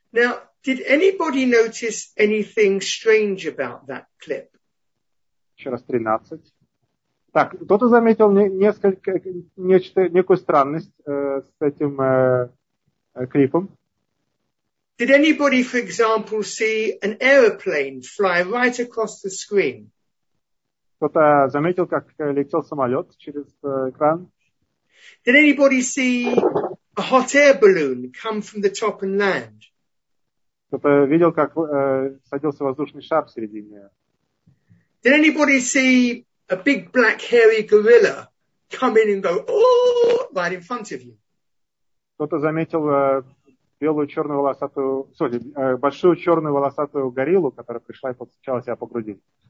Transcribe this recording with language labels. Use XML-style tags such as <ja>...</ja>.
<en>Now, did anybody notice anything strange about that clip?</en> <ru>Еще раз 13. Так, кто-то заметил некую странность с этим клипом?</ru> <en>Did anybody, for example, see an aeroplane fly right across the screen?</en> <ru>Кто-то заметил, как летел самолет через экран?</ru> <en>Did anybody see a hot air balloon come from the top and land?</en> <ru>Кто-то видел, как садился воздушный шар в середине?</ru> <en>Did anybody see a big black hairy gorilla come in and go oh right in front of you?</en> <ru>Кто-то заметил белую черную волосатую, большую черную волосатую гориллу, которая пришла и постучала себя по груди?</ru>